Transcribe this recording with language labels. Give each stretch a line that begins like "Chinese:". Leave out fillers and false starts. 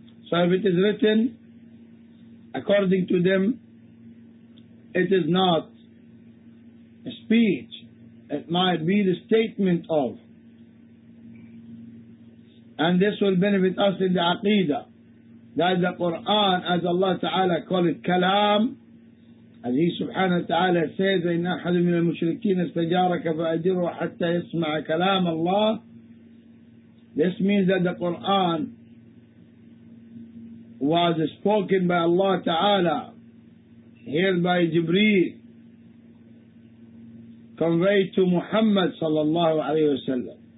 English: So if it is written, according to them, it is not a speech. It might be the statement of. And this will benefit us in the Aqeedah. That the Quran, as Allah Ta'ala called it, Kalam. As he subhanahu wa ta'ala says,
Arabic: وَإِنَّ أَحَدٌ مِنَ الْمُشْرِكِينَ اسْتَجَارَكَ فَأَجِرُوا حَتَّى يَسْمَعَ كَلَامَ اللَّهِ.
English: This means that the Quran was spoken by Allah Ta'ala, heard by Jibreel, conveyed to Muhammad sallallahu alayhi wasallam.